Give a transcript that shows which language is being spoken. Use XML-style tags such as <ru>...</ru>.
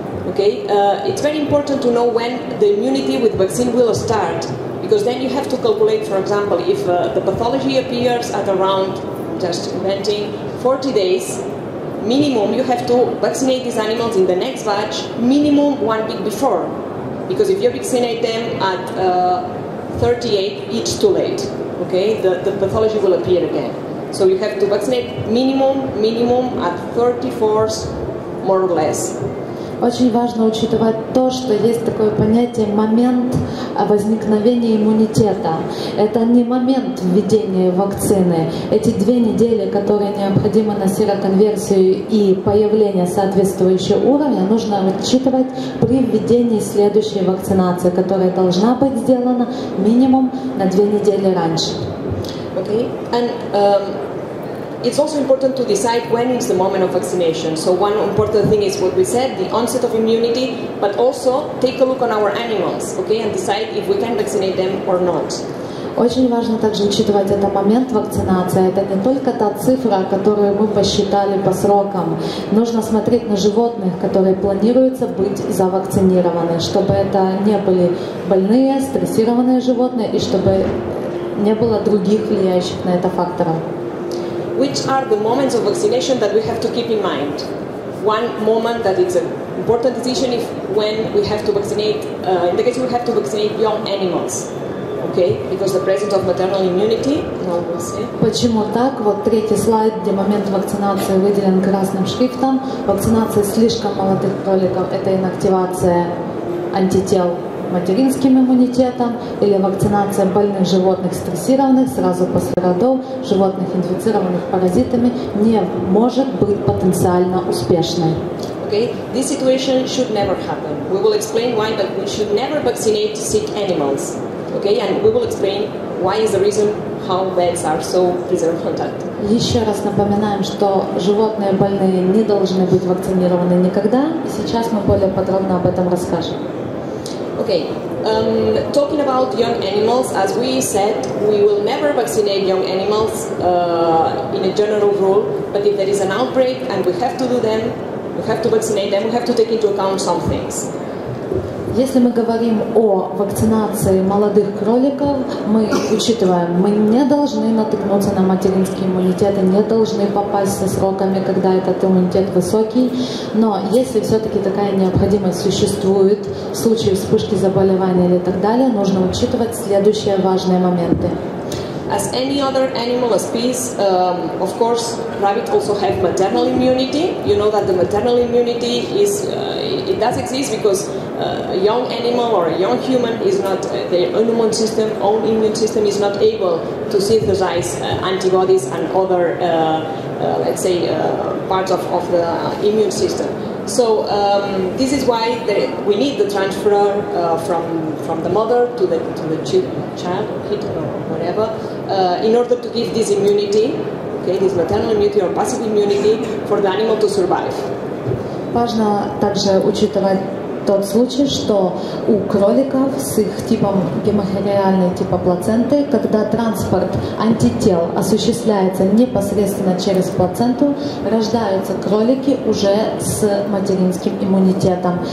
<en>Okay, it's very important to know when the immunity with vaccine will start, because then you have to calculate, for example, if the pathology appears at around, just inventing, 40 days, minimum you have to vaccinate these animals in the next batch, minimum 1 week before. Because if you vaccinate them at 38, it's too late. Okay, the pathology will appear again. So you have to vaccinate minimum at 34, more or less.</en> <ru>Очень важно учитывать то, что есть такое понятие «момент возникновения иммунитета». Это не момент введения вакцины. Эти две недели, которые необходимы на сероконверсию и появление соответствующего уровня, нужно учитывать при введении следующей вакцинации, которая должна быть сделана минимум на две недели раньше.</ru> <en>Okay. And, it's also important to decide when is the moment of vaccination. So one important thing is what we said, the onset of immunity, but also take a look on our animals, okay, and decide if we can vaccinate them or not.</en> <ru>Очень важно также учитывать этот момент вакцинации. Это не только та цифра, которую мы посчитали по срокам. Нужно смотреть на животных, которые планируются быть завакцинированы, чтобы это не были больные, стрессированные животные, и чтобы не было других влияющих на это факторов.</ru> <en>Which are the moments of vaccination that we have to keep in mind? One moment that it's an important decision if when we have to vaccinate, in the case we have to vaccinate young animals, okay? Because the presence of maternal immunity,</en> <ru>Почему так? Вот третий слайд, где момент вакцинации выделен красным шрифтом. Вакцинация слишком молодых кроликов – это инактивация антител материнским иммунитетом или вакцинация больных животных стрессированных сразу после родов, животных инфицированных паразитами не может быть потенциально успешной.</ru> <en>Okay, this situation should never happen. We will explain why, but we should never vaccinate sick animals. Okay, and we will explain why is the reason how vets are so preserved contact.</en> <ru>Еще раз напоминаем, что животные больные не должны быть вакцинированы никогда. И сейчас мы более подробно об этом расскажем.</ru> <en>Okay, talking about young animals, as we said, we will never vaccinate young animals in a general rule, but if there is an outbreak and we have to do them, we have to vaccinate them, we have to take into account some things.</en> <ru>Если мы говорим о вакцинации молодых кроликов, мы учитываем, мы не должны натыкнуться на материнский иммунитет и не должны попасть со сроками, когда этот иммунитет высокий. Но если все-таки такая необходимость существует в случае вспышки заболевания или так далее, нужно учитывать следующие важные моменты.</ru> <en>As any other animal species, of course, rabbits also have maternal immunity. You know that the maternal immunity is it does exist because a young animal or a young human is not their own immune system is not able to synthesize antibodies and other let's say parts of the immune system. So this is why we need the transfer from the mother to the child, kid, or whatever, in order to give this immunity, okay, this maternal immunity or passive immunity for the animal to survive.</en> <ru>Важно также учитывать тот случай, что у кроликов с их типом гемохириальной типа плаценты, когда транспорт антител осуществляется непосредственно через плаценту, рождаются кролики уже с материнским иммунитетом.</ru>